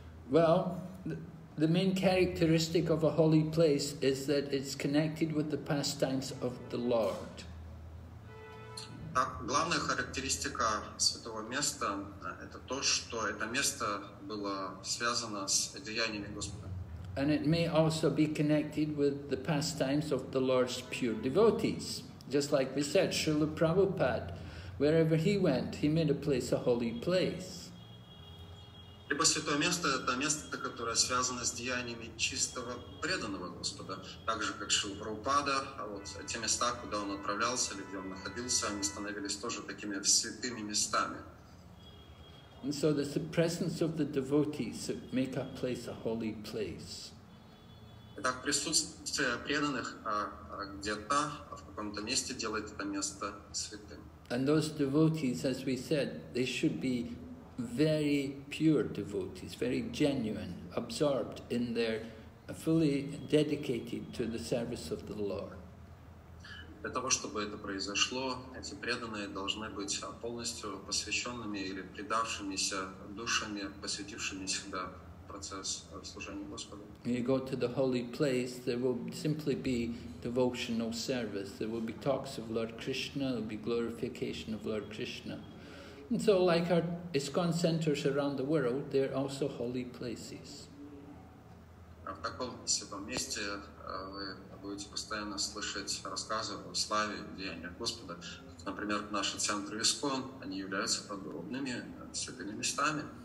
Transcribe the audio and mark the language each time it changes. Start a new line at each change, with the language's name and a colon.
English: Well, the main characteristic of a holy place is that it's connected with the pastimes of the Lord.
Russian: Так, главная характеристика святого места – это то, что это место было связано с деяниями Господа.
English: And it may also be connected with the pastimes of the Lord's pure devotees. Just like we said, Srila Prabhupada, wherever he went, he made a place a holy place.
Russian: Либо святое место – это место, которое связано с деяниями чистого преданного Господа. Так же, как Шрила Прабхупада, а вот те места, куда он отправлялся или где он находился, они становились тоже такими святыми местами.
English: And so there's the presence of the devotees that make a place a holy place.
Russian: Итак, присутствие преданных где-то, в каком-то месте делает это место святым.
English: And those devotees, as we said, they should be very pure devotees, very genuine, absorbed in their, fully dedicated to the service of the Lord.
Russian: Для того, чтобы это произошло, эти преданные должны быть полностью посвященными или предавшимися душами, посвятившими себя процесс служения Господу.
English: When you go to the holy place, there will simply be devotional service. There will be talks of Lord Krishna, there will be glorification of Lord Krishna. And so, like our ISKCON centers around the world, they're also holy places.
Russian: В таком святом месте вы будете постоянно слышать рассказы о славе и деяниях Господа. Например, наши центры ИСКОН, они являются подобными святыми местами.